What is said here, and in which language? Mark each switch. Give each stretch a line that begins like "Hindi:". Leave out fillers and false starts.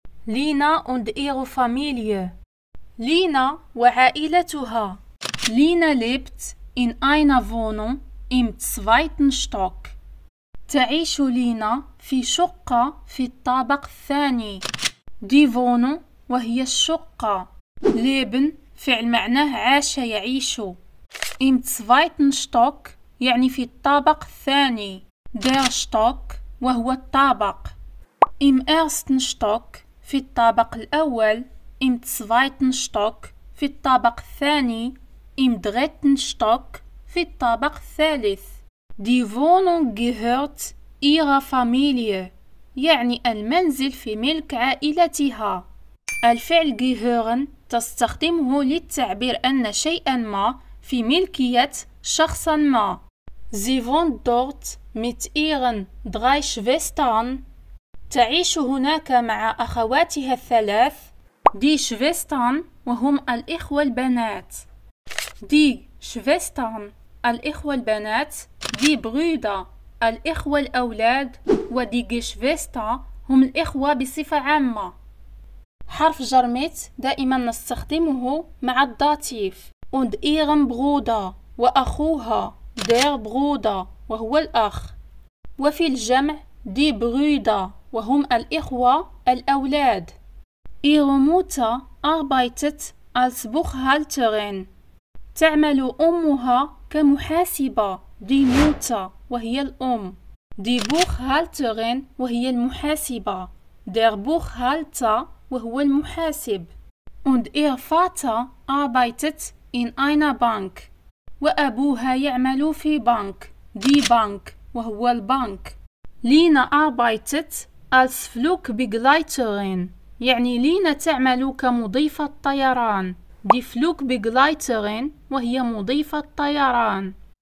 German: لينا und ihre Familie.
Arabic: لينا وعائلتها.
German: لينا lebt in einer Wohnung im zweiten Stock.
Arabic: تعيش لينا في شقة في الطابق الثاني. Die Wohnung وهي الشقة. Leben فعل معناه عاش يعيش.
German: Im zweiten Stock
Arabic: يعني في الطابق الثاني. Der Stock وهو الطابق.
German: Im ersten Stock
Arabic: في الطابق الأول.
German: Im zweiten Stock
Arabic: في الطابق الثاني.
German: Im dritten Stock
Arabic: في الطابق الثالث.
German: Die Wohnung gehört ihrer Familie
Arabic: يعني المنزل في ملك عائلتها. الفعل gehören تستخدمه للتعبير أن شيئا ما في ملكية شخص ما.
German: Sie wohnt dort mit ihren drei Schwestern.
Arabic: تعيش هناك مع أخواتها الثلاث. Die Schwestern وهم الإخوة البنات. Die Schwestern الإخوة البنات. Die Brüder الإخوة الأولاد. و Die Geschwister هم الإخوة بصفة عامة. حرف جر ميت دائما نستخدمه مع الداتيف.
German: Und ihren Bruder
Arabic: وأخوها. Der Bruder وهو الأخ. وفي الجمع Die Brüder وهم الإخوة الأولاد.
German: Ihre Mutter arbeitet als Buchhalterin.
Arabic: تعمل أمها كمحاسبة. Die Mutter وهي الأم. Die Buchhalterin وهي المحاسبة. Der Buchhalter وهو المحاسب.
German: Und ihr Vater arbeitet in einer Bank.
Arabic: وأبوها يعمل في بنك. Die Bank وهو البنك.
German: Lina arbeitet als Flugbegleiterin
Arabic: يعني لينا تعمل كمضيفة طيران. Die Flugbegleiterin وهي مضيفة طيران.